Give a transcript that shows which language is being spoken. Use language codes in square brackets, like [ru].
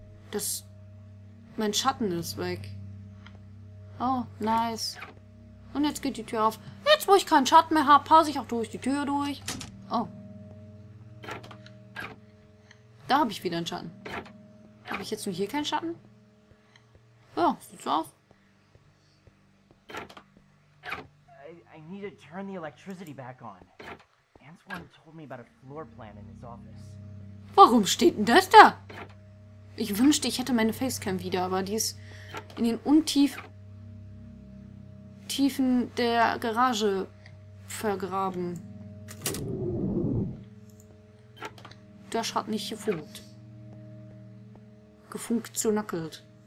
[de] Das... Mein Schatten ist weg. Oh, nice. Und jetzt geht die Tür auf. Jetzt, wo ich keinen Schatten mehr habe, passe ich auch durch die Tür durch. Oh. Da habe ich wieder einen Schatten. Habe ich jetzt nur hier keinen Schatten? Ja, sieht so aus. [en] I need to turn the electricity back on. Antoine told me about a floor plan in his office. [de] Warum steht denn das da? Ich wünschte, ich hätte meine Facecam wieder, aber die ist in den Untiefen der Garage vergraben. Das hat nicht gefunkt. Gefunkt zu nackelt.